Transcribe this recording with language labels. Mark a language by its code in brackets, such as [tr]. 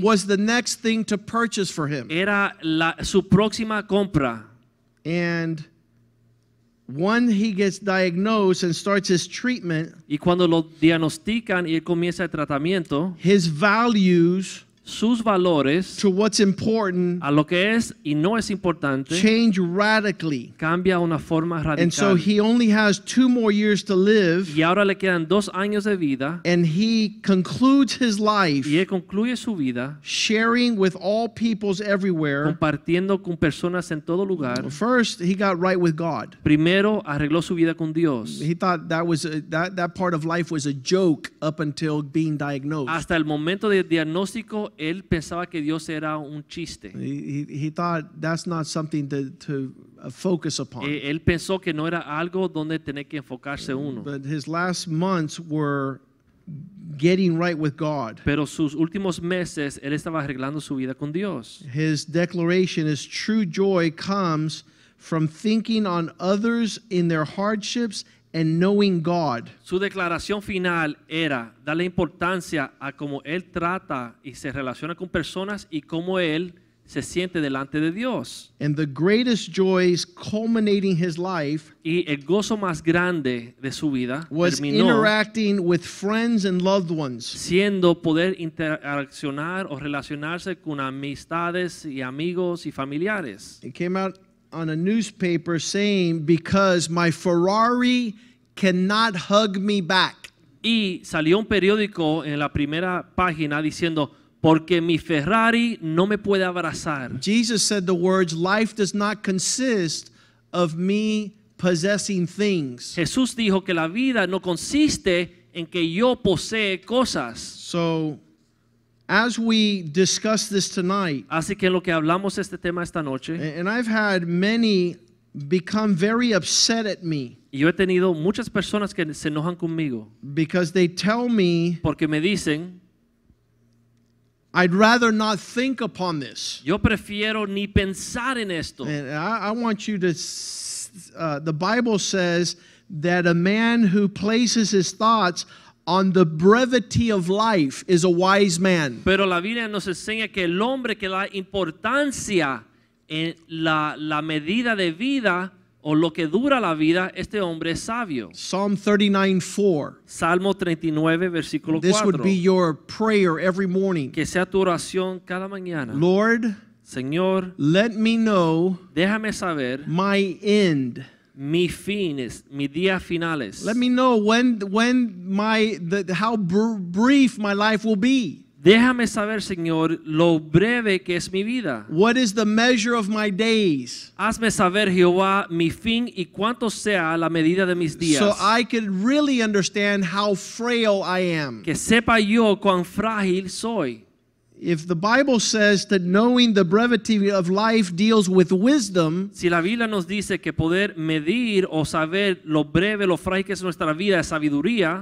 [en] was the next thing to purchase for him. [es] Era la, su próxima compra. [en] And when he gets diagnosed and starts his treatment, [es] y cuando lo diagnostican y él comienza el tratamiento, [en] his values, [es] sus valores, [en] to what's important, [es] a lo que es y no es importante, [en] change radically. [es] Cambia una forma radical. [en] And so he only has 2 more years to live. [es] Y ahora le quedan 2 años de vida. [en] And he concludes his life, [es] y él concluye su vida, [en] sharing with all peoples everywhere, [es] compartiendo con personas en todo lugar. [en] First, he got right with God. [es] Primero arregló su vida con Dios. [en] He thought that was that part of life was a joke up until being diagnosed. [es] Hasta el momento del diagnóstico, él pensaba que Dios era un chiste. [en] He thought that's not something to focus upon. [es] Él pensó que no era algo donde tener que enfocarse uno. [en] But his last months were getting right with God. [es] Pero sus últimos meses él estaba arreglando su vida con Dios. [en] His declaration is true joy comes from thinking on others in their hardships and knowing God. [es] Su declaración final era darle importancia a cómo él trata y se relaciona con personas y cómo él se siente delante de Dios. [en] And the greatest joys culminating his life, [es] y el gozo más grande de su vida, [en] was [es] terminó [en] interacting with friends and loved ones, [es] siendo poder interaccionar o relacionarse con amistades y amigos y familiares. [en] It came out on a newspaper saying, because my Ferrari cannot hug me back. [es] Y salió un periódico en la primera página diciendo, porque mi Ferrari no me puede abrazar. [en] Jesus said the words, life does not consist of me possessing things. [es] Jesús dijo que la vida no consiste en que yo posee cosas. [en] So, as we discuss this tonight, [es] así que lo que hablamos este tema esta noche, [en] and I've had many become very upset at me. [es] Yo he tenido muchas personas que se enojan conmigo. [en] Because they tell me, [es] porque me dicen, [en] I'd rather not think upon this. [es] Yo prefiero ni pensar en esto. [en] And I want you to, the Bible says that a man who places his thoughts on the brevity of life is a wise man. [es] Pero la Biblia nos enseña que el hombre que da importancia en la medida de vida o lo que dura la vida, este hombre es sabio. [en] Psalm 39:4. [es] Salmo 39, versículo 4. [en] This would be your prayer every morning. [es] Que sea tu oración cada mañana. [en] Lord, [es] Señor, [en] let me know, [es] déjame saber, [en] my end, [es] mi fines, mi día finales. [en] Let me know when how brief my life will be. [es] Déjame saber, Señor, lo breve que es mi vida. [en] What is the measure of my days? [es] Hazme saber, Jehová, mi fin y cuánto sea la medida de mis días. [en] So I can really understand how frail I am. [es] Que sepa yo cuán frágil soy. [en] If the Bible says that knowing the brevity of life deals with wisdom, [es] si la Biblia nos dice que poder medir o saber lo breve, lo frágil que es nuestra vida es sabiduría,